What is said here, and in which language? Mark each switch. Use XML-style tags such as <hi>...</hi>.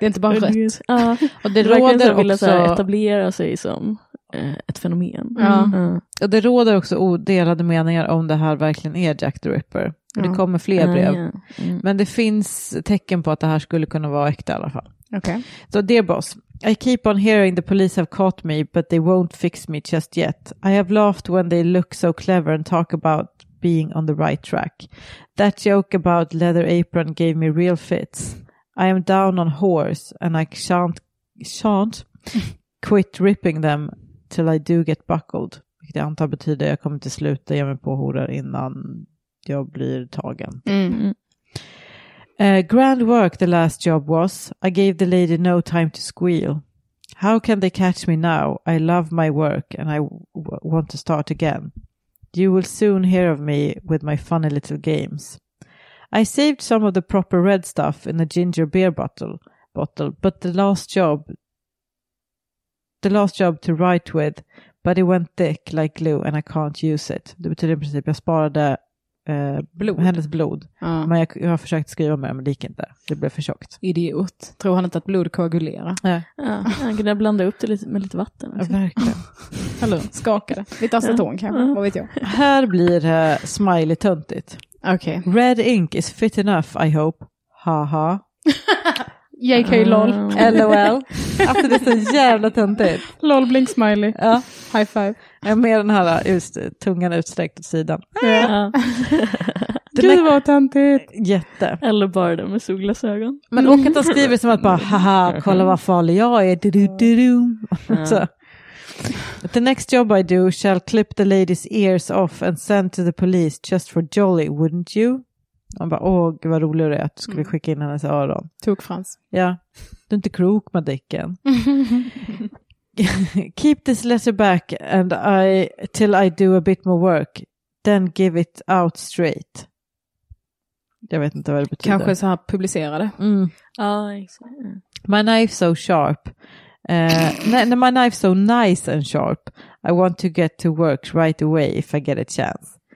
<sv>Det är inte bara rött. Och det råder också att vilja etablera sig som ett fenomen. Och det råder också odelade meningar om det här verkligen är Jack the Ripper. Och det kommer fler brev. Yeah. Men det finns tecken på att det här skulle kunna vara äkta i alla fall. Okej.</sv> <en>Okay. Så Dear Boss, I keep on hearing the police have caught me, but they won't fix me just yet. I have laughed when they look so clever and talk about being on the right track. That joke about leather apron gave me real fits. I am down on whores and I shan't quit ripping them till I do get buckled.</en> <sv>Vilket jag antar betyder att jag kommer till sluta ge mig på horor innan jag blir tagen.</sv> <en>Grand work the last job was. I gave the lady no time to squeal. How can they catch me now? I love my work and I want to start again. You will soon hear of me with my funny little games. I saved some of the proper red stuff in the ginger beer bottle, but the last job to write with, but it went thick like glue and I can't use it.</en> <sv>Det betyder i princip jag sparade hennes blod. Men jag har försökt skriva med, men det gick inte. Det blev för tjockt. Idiot. Tror han inte att blod koagulerar? Han kunde blanda upp det med lite vatten. Ja, verkligen. Hallå, skakade. Lite aceton kanske, vad vet jag. Här blir smiley töntigt.</sv> <en>Okay. Red ink is fit enough, I hope. Haha. JK, lol.</en> <sv>LOL. Alltså det är så jävla töntigt.</sv> <en>Lol, blink, smiley.</en> <sv>Ja.</sv> <en>High five.</en> <sv>Med den här just, tungan utsträckt åt sidan. Ja. Gud vad tantigt. Jätte. Eller bara den med solglasögon. Men och att han skriver som att bara, haha, kolla vad farlig jag är. Du. Så.</sv> <en>The next job I do shall clip the lady's ears off and send to the police just for jolly, wouldn't you?</en> <sv>Han bara, åh gud vad rolig det är att du skulle skicka in hennes öron. Tog Frans. Ja, du är inte krok med dicken.</sv> <en>Keep this letter back and I till I do a bit more work, then give it out straight.</en> <sv>Jag vet inte vad det betyder. Kanske så här publicerade.</sv> <en>Mm. My knife so sharp. My knife so nice and sharp. I want to get to work right away if I get a chance.</en>